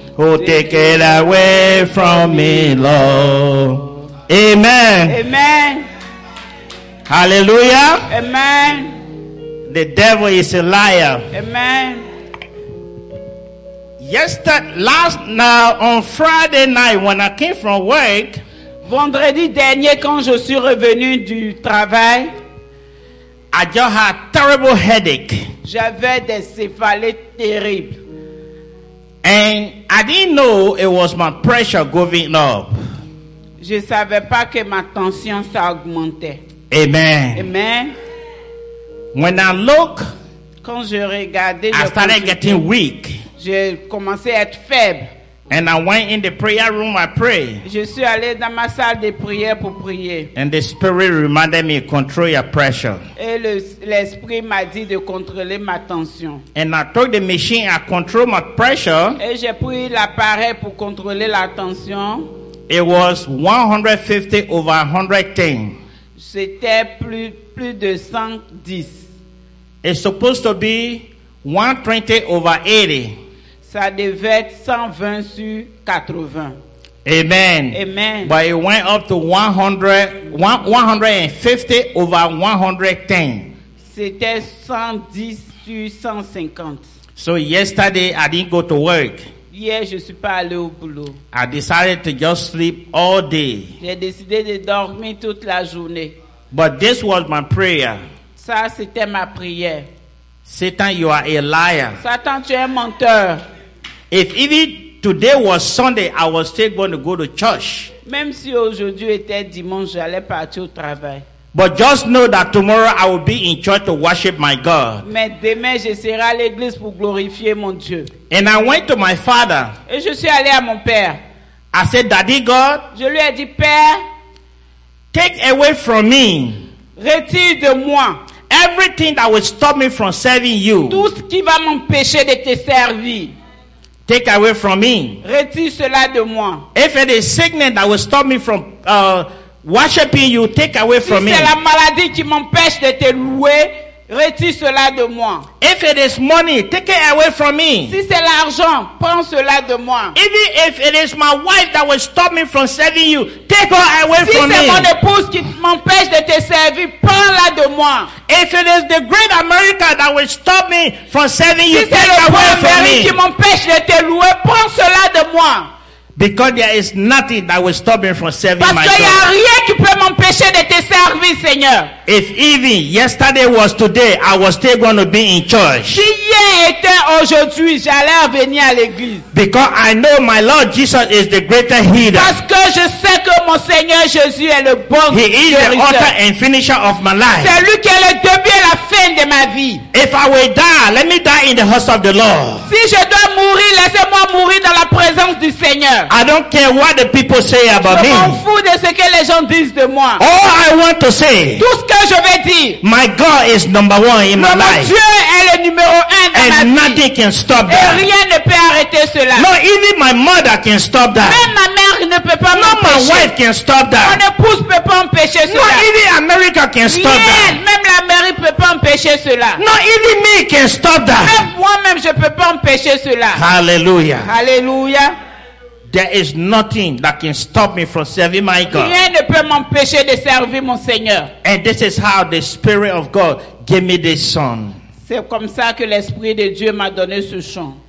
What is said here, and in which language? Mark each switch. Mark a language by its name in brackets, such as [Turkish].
[English] Oh, take it away from me, Lord. Amen. Amen. Hallelujah. Amen. The devil is a liar. Amen. On Friday night when I came from work, [French] vendredi dernier quand je suis revenu du travail, [English] I just had terrible headache. [French] J'avais des céphalées terribles. [English] And I didn't know it was my pressure going up. [French] Je savais pas que ma tension s'augmentait. [English] Amen. Amen. When I look, [French] quand je regardais, [English] I started getting weak. [French] J'ai commencé à être faible. [English] And I went in the prayer room, I pray. [French] Je suis allé dans ma salle de prière pour prier. [English] And the spirit reminded me, control your pressure. [French] Et l'esprit m'a dit de contrôler ma tension. [English] And I took the machine, I control my pressure. [French] Et j'ai pris l'appareil pour contrôler la tension. [English] It was 150 over 110. [French] C'était plus de 110. [English] It's supposed to be 120 over 80. [French] Ça devait être 120 sur 80. [English] Amen. Amen. But it went up to 150 over 110. [French] C'était 110 sur 150. [English] So yesterday I didn't go to work. [French] Hier, je suis pas allé au boulot. [English] I decided to just sleep all day. [French] J'ai décidé de dormir toute la journée. [English] But this was my prayer. [French] Ça, c'était ma prière. [English] Satan, you are a liar. [French] Satan, tu es un menteur. [English] If even today was Sunday, I was still going to go to church. [French] Même si aujourd'hui était dimanche, j'allais partir au travail. [English] But just know that tomorrow I will be in church to worship my God. [French] Mais demain, je serai à l'église pour glorifier mon Dieu. [English] And I went to my father. [French] Et je suis allé à mon père. [English] I said, Daddy God. [French] Je lui ai dit, Père. [English] Take away from me. [French] Retire de moi. [English] Everything that will stop me from serving you. [French] Tout ce qui va m'empêcher de te servir. [English] Take away from me. [French] Retire cela de moi. [English] If it is sickness that will stop me from worshiping you, take away from me. [French] Si c'est la maladie qui m'empêche de te louer, retire cela de moi. [English] If it is money, take it away from me. [French] Si c'est l'argent, prends cela de moi. [English] Even if it is my wife that will stop me from serving you, take her away [French] si [English] from me. [French] Si c'est mon épouse qui m'empêche de te servir, prends-la de moi. [English] If it is the great America that will stop me from serving [French] si [English] you, take it away from me. [French] Si c'est qui m'empêche de te louer, prends cela de moi. [English] Because there is nothing that will stop me from serving [French] Parce [English] my God. [French] Parce qu'il y a rien qui peut m'empêcher de te servir, Seigneur. [English] If even yesterday was today, I was still going to be in church. [French] Si hier était aujourd'hui, j'allais venir à l'église. [English] Because I know my Lord Jesus is the greater healer. [French] Parce que je sais que mon Seigneur Jésus est le bon guérisseur. [English] He is [French] guérisseur. [English] The author and finisher of my life. [French] C'est lui qui est le début et la fin de ma vie. [English] If I will die, let me die in the house of the Lord. [French] Si je dois mourir, laissez-moi mourir dans la présence du Seigneur. [English] I don't care what the people say about me. [French] m'en fous de ce que les gens disent de moi. [English] All I want to say. [French] Tout ce que je vais dire. [English] My God is number one in my life. [French] Mon Dieu est le numéro un dans ma vie. [English] And nothing can stop that. [French] Et rien ne peut arrêter cela. [English] Not even my mother can stop that. [French] Même ma mère ne peut pas m'empêcher. [English] Not my wife can stop that. [French] Mon épouse ne peut pas empêcher cela. [English] Not even America can stop that. [French] Même l'Amérique peux pas empêcher cela. [English] Not even me can stop that. [French] Moi-même, je peux pas empêcher cela. [English] Hallelujah. Hallelujah. There is nothing that can stop me from serving my God. [French] Rien ne peut m'empêcher de servir mon Seigneur. [English] And this is how the Spirit of God gave me this song. [French] C'est comme ça que l'Esprit de Dieu m'a donné ce chant.